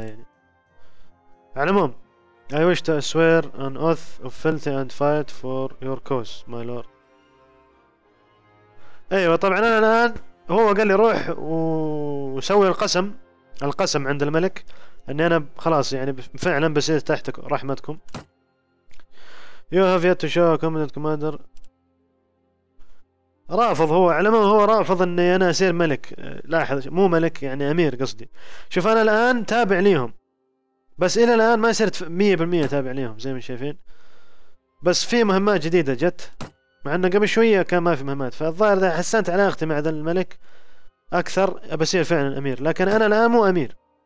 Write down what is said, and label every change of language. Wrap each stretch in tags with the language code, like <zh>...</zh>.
<ar>يعني على العموم</ar> <en>I wish to swear an oath of filthy and fight for your cause my lord.</en> <ar>ايوه طبعا انا الان هو قال لي روح وسوي القسم، القسم عند الملك اني انا خلاص يعني فعلا بسير تحت رحمتكم.</ar> <en>You have yet to show a competent commander.</en> <ar>رافض هو، على ما هو رافض اني انا اصير ملك، لاحظ مو ملك يعني امير قصدي. شوف انا الان تابع ليهم بس الى الان ما صرت 100% تابع ليهم زي ما شايفين، بس في مهمات جديده جت، مع انه قبل شويه كان ما في مهمات، فالظاهر اذا حسنت علاقتي مع ذا الملك اكثر بصير فعلا امير، لكن انا الان مو امير.</ar>